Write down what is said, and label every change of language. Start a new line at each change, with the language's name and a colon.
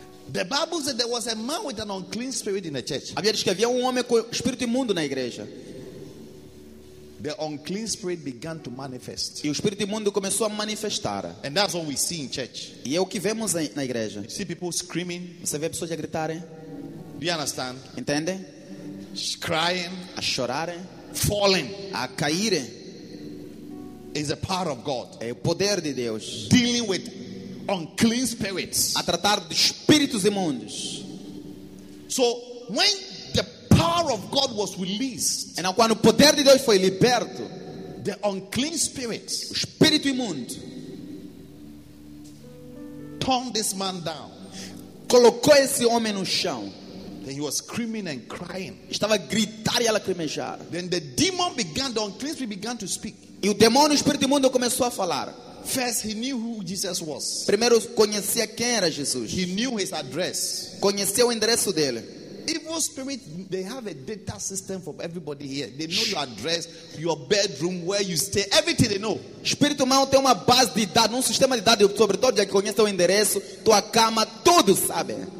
English: The Bible said there was a man with an unclean spirit in the church.
Portuguese: A Bíblia diz que havia homem com espírito imundo na igreja.
English: The unclean spirit began to manifest.
Portuguese: E o espírito imundo começou a manifestar.
English: And that's what we see in church.
Portuguese: E é o que vemos na igreja.
English: You see people screaming.
Portuguese: Você vê pessoas a gritarem.
English: Do you understand?
Portuguese: Entende?
English: Crying.
Portuguese: A chorarem.
English: Falling.
Portuguese: A caírem.
English: Is a power of God.
Portuguese: É o poder de Deus.
English: Dealing with unclean spirits.
Portuguese: A tratar de espíritos imundos.
English: So when the power of God was released, and
Portuguese: quando o poder de Deus foi liberto,
English: the unclean spirits,
Portuguese: o espírito imundo,
English: turned this man down.
Portuguese: Colocou esse homem no chão.
English: Then he was screaming and crying.
Portuguese: Estava a gritar e a lacrimejar.
English: Then the demon began, the unclean spirit began to speak.
Portuguese: E o demônio, o espírito imundo, começou a falar.
English: First, he knew who Jesus was.
Portuguese: Primeiro, conhecia quem era Jesus.
English: He knew his address.
Portuguese: Conheceu o endereço dele.
English: Evil spirits, they have a data system for everybody here. They know your address, your bedroom, where you stay, everything they know.
Portuguese: Espírito mau tem uma base de dados, um sistema de dados, sobretudo já que conhece o endereço, tua cama, tudo sabe.